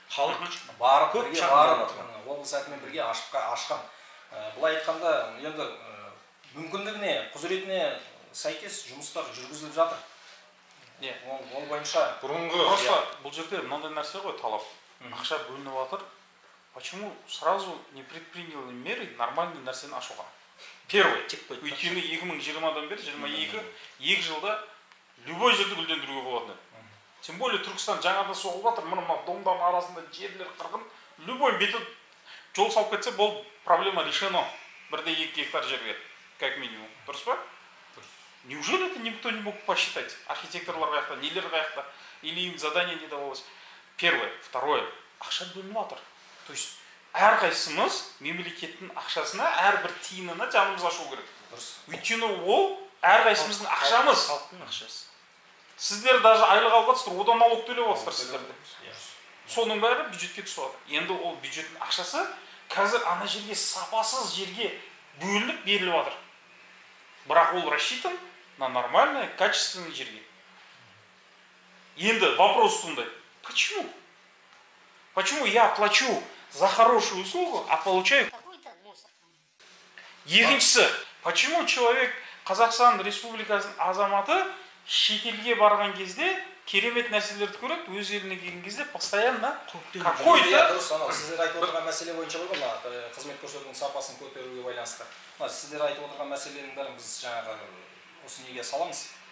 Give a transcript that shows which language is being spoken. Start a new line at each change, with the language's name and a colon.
Kazakh: Халық барып көп шағым облыс әкімімен бірге ашқан. Былай айтқанда енді мүмкіндігіне, құзыретіне сәйкес жұмыстар жүргізіліп жатыр. Не, ол бойынша бұрынғы просто бұл жерде мынандай нәрсе ғой талап. Ақша бөлініп жатыр.
Russian: Почему сразу не предприняли меры нормальный
Kazakh: нәрсені ашуға?
Russian: Первый.
Kazakh: Өйткені 2020-дан бері 22 екі жылда любой жерді гүлдендіруге болады.
Russian: Тем более
Kazakh: Түркістан жаңада соғып жатыр. Мына мына домдардың арасында жерлер қырғын.
Russian: Любой
Kazakh: бетон жол салып кетсе бұл
Russian: проблема решено.
Kazakh: Бірде 2 гектар жерге,
Russian: как минимум.
Kazakh: Дұрыс па?
Russian: Неужели это никто не мог посчитать?
Kazakh: Архитекторлар қаяқта, нелер қаяқта?
Russian: Или им задание не давалось? Первое. Второе.
Kazakh: Ақша бөлініп жатыр.
Russian: То есть,
Kazakh: әрқайсымыз мемлекеттің ақшасына, әрбір тиынына жанымыз ашу керек. Дұрыс. Өйткені ол әрқайсымыздың ақшамыз. Халықтың ақшасы. Сіздер даже айлық алып жатырсыздар, одан налог төлеп жатырсыздар сіздерді. Соның бәрі бюджетке түсіп жатыр. Енді ол бюджеттің ақшасы қазір ана жерге сапасыз жерге бөлініп беріліп жатыр. Бірақ ол
Russian: рассчитан на нормальное, качественное
Kazakh: жерге. Енді
Russian: вопрос
Kazakh: сондай.
Russian: Почему? Почему я плачу за хорошую услугу, а получаю какой-то мусор?
Kazakh: Екіншісі,
Russian: почему человек
Kazakh: Қазақстан Республикасының азаматы шетелге барған кезде керемет нәрселерді көреді, өз еліне келген кезде постоянно қойды. Дұрыс, анау сіздер айтып отырған мәселе бойынша ғой, мына қызмет көрсетудің сапасын көтеруге байланысты. Мына сіздер айтып отырған мәселенің бәрін біз жаңағы осы неге саламыз.